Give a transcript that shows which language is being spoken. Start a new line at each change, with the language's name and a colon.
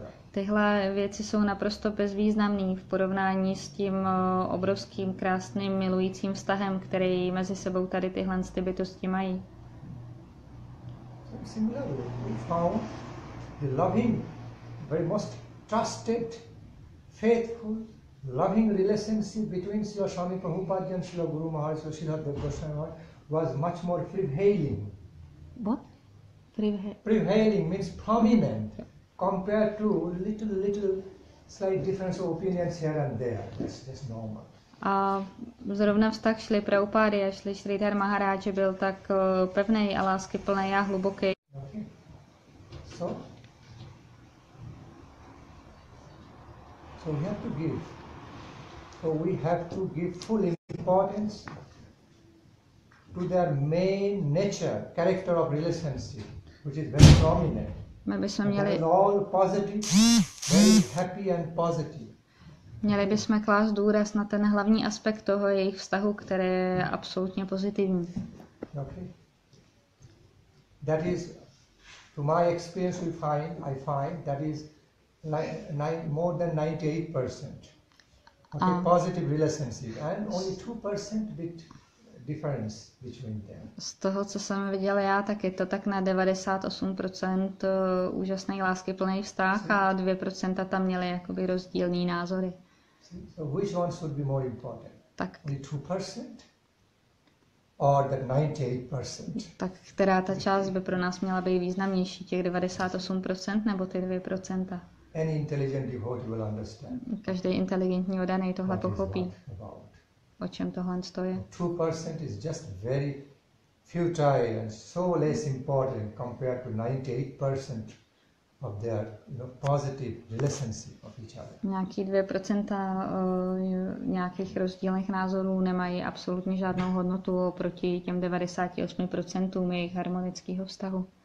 Czech: Tyhle věci jsou naprosto bezvýznamné v porovnání s tím obrovským, krásným, milujícím vztahem, který mezi sebou tady tyhle ty bytosti mají.
English: Similarly, we found the loving, very most trusted, faithful, loving relationship between Srila Swami Prabhupada and Srila Guru Maharaj, Srila Sridhar Goswami was much more prevailing. What? Prevailing means prominent. Compared to little slight difference of opinions here and there, that's normal.
Czech: A zrovna vztah šli Prabhupády a šli Sridhar Maharaj, byl tak pevný a lásky plný a hluboký.
English: Okay. So? So we have to give. So we have to give full importance to their main nature, character of relationship, which is very prominent.
Czech: My bychom měli,
English: all positive, very happy and positive.
Czech: Měli bychom klást důraz na ten hlavní aspekt toho jejich vztahu, který je absolutně pozitivní.
English: Okay. That is, to my experience we find, I find, that is more than 98%. Okay, positive relationship and only 2% bit difference between them.
Czech: Z toho, co jsem viděl já, tak je to tak na 98% úžasné lásky plný vztah a 2% tam měly jakoby rozdílný názory.
English: So which one should be more important?
Czech: Tak.
English: Only 2% or the 98%?
Czech: Tak která ta část by pro nás měla být významnější, těch 98% nebo ty 2%?
English: Any intelligent devotee will understand.
Czech: Každý inteligentní oddaný tohle pochopí. O čem tohle stojí?
English: 2% is just very futile and so less important compared to 98% of their, you know, positive relationship of each other.
Czech: Nějaký 2% nějakých rozdílných názorů nemají absolutně žádnou hodnotu oproti těm 98% jejich harmonického vztahu.